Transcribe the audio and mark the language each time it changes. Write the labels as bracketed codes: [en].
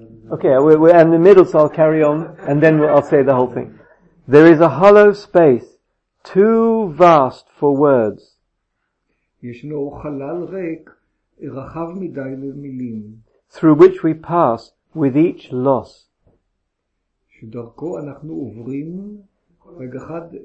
[en] Okay, we're in the middle, so I'll carry on and then I'll say the whole thing. There is a hollow space too vast for words. [he] ישנו חלל ריק רחב מדי למילים. [en] Through which we pass with each loss. [he] שדרכו אנחנו עוברים רגע אחד.